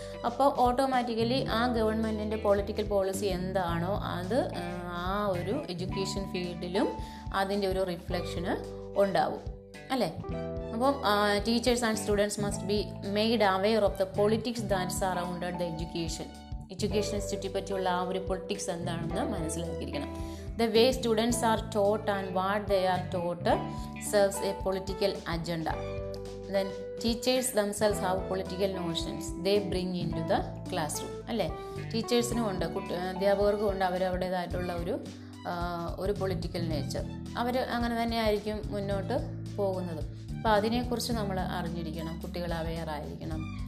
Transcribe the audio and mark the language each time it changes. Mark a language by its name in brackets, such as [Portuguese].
[Malayalam] അപ്പോൾ ഓട്ടോമാറ്റിക്കലി ആ ഗവൺമെൻറ്റിൻ്റെ പൊളിറ്റിക്കൽ പോളിസി എന്താണോ അത് ആ ഒരു എഡ്യൂക്കേഷൻ ഫീൽഡിലും അതിൻ്റെ ഒരു റിഫ്ലക്ഷന് ഉണ്ടാവും അല്ലേ. [English] അപ്പം teachers and students must be made aware of the politics that's arounded the education ഇൻസ്റ്റിറ്റ്യൂട്ടിനെ [Malayalam] പറ്റിയുള്ള ആ ഒരു പൊളിറ്റിക്സ് എന്താണെന്ന് മനസ്സിലാക്കിയിരിക്കണം. [English] The way students are taught and what they are taught serves a political agenda. Then teachers themselves have political notions they bring into the classroom. [Malayalam] അല്ലേ, ടീച്ചേഴ്സിനും ഉണ്ട്, അധ്യാപകർക്കും ഉണ്ട് അവരവരുടേതായിട്ടുള്ള ഒരു ഒരു പൊളിറ്റിക്കൽ നേച്ചർ. അവർ അങ്ങനെ തന്നെയായിരിക്കും മുന്നോട്ട് പോകുന്നത്. അപ്പോൾ അതിനെക്കുറിച്ച് നമ്മൾ അറിഞ്ഞിരിക്കണം, കുട്ടികൾ അവെയറായിരിക്കണം.